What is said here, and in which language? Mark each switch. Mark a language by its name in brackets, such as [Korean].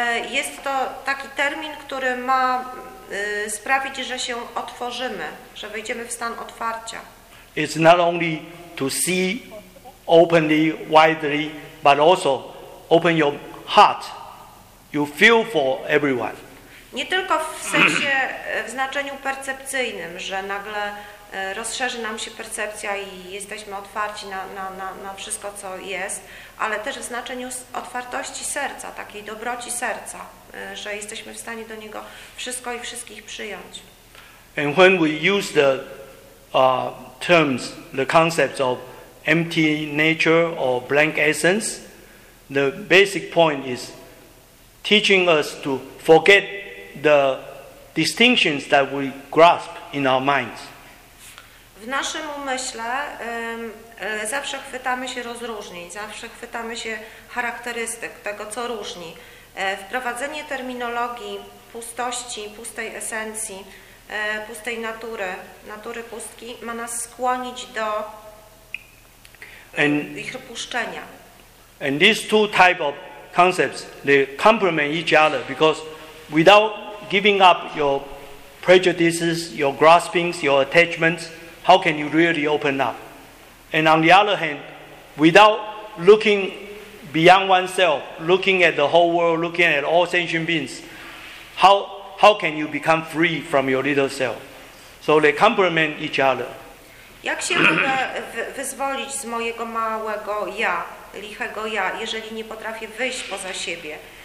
[Polish] Jest to taki termin, który ma sprawić, że się otworzymy, że wejdziemy w stan otwarcia. [English] It's not only to see openly, widely, but also open your heart. You feel for everyone. [Polish] Nie tylko w sensie, w znaczeniu percepcyjnym, że nagle rozszerzy nam się percepcja i jesteśmy otwarci na wszystko, co jest, ale też w znaczeniu otwartości serca, takiej dobroci serca, że jesteśmy w stanie do niego wszystko i wszystkich przyjąć. [English] And when we use the terms, the concepts of empty nature or blank essence, the basic point is teaching us to forget the distinctions that we grasp in our minds. [Polish] W naszym umyśle zawsze chwytamy się rozróżnień, zawsze chwytamy się charakterystyk tego, co różni. Wprowadzenie terminologii pustości, pustej esencji, pustej natury, natury pustki ma nas skłonić do ich opuszczenia. [English] And these two type of concepts, they complement each other, because without giving up your prejudices, your graspings, your attachments, how can you really open up? And on the other hand, without looking beyond oneself, looking at the whole world, looking at all sentient beings, how can you become free from your little self? So they complement each other. [Polish] Jak się mogę wyzwolić z mojego małego ja, lichego ja, jeżeli nie potrafię wyjść poza siebie?